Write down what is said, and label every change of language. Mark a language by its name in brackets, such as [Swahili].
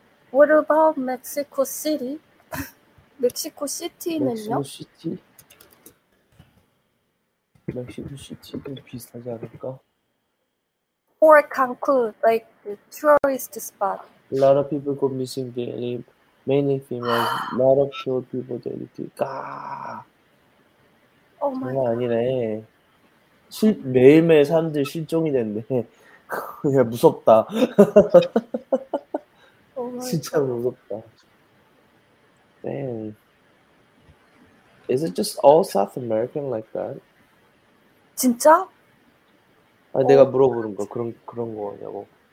[English] What about Mexico City? [Korean] Mexico City는요? 멕시코 시티도 비슷하지 않을까? [English] Or Cancun, like the tourist spot. A lot of people go missing daily, mainly females. A lot of killed people daily. 아, Oh my [Korean] 장난 [English] God. [Korean] 아니네. 매일매일 사람들이 실종이 된대. 야, 무섭다. [English] Oh my [Korean] 진짜 [English] God. [Korean] 무섭다. [English] Damn. Is it just all South American like that? [Korean] 진짜? 아니, 내가 물어보는 거, 그런 거냐고.